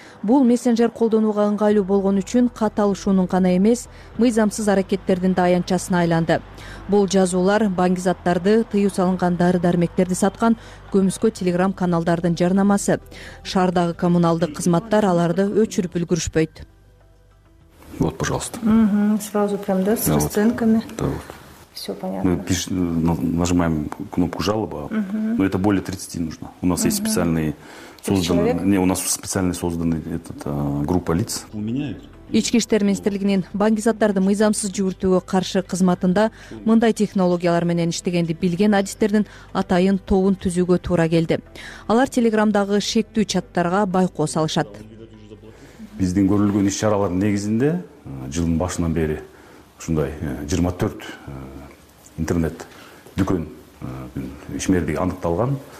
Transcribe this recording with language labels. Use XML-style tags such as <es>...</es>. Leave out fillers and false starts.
<ky>Бул мессенджер колдонууга ыңгайлуу болгон үчүн катталышуунун гана эмес, мыйзамсыз аракеттердин да аянтчасына айланды. Бул жазуулар баңгизаттарды, тыюу салынган дары-дармектерди саткан көмүскө телеграм каналдардын жарнамасы. Шаардагы коммуналдык кызматтар аларды өчүрүп үлгүрүшпөйт.</ky> <ru>Вот, пожалуйста. Сразу прям, да, с расценками. Да, вот. Все понятно. Мы нажимаем кнопку жалоба. Но это более 30 нужно. У нас есть специальные созданные. У нас специально созданный группа лиц. У меня есть.</ru> <ky>Ички иштер министрлигинин баңгизаттарды мыйзамсыз жүгүртүүгө каршы кызматында мындай технологиялар менен иштегенди билген адистердин атайын тобун түзүүгө туура келди. Алар телеграмдагы шектүү чаттарга байкоо салышат. Биздин көрүлгөн иш чаралардын негизинде жылдын башынан бери ушундай 24 интернет дүкөн ишмердиги аныкталган.</ky>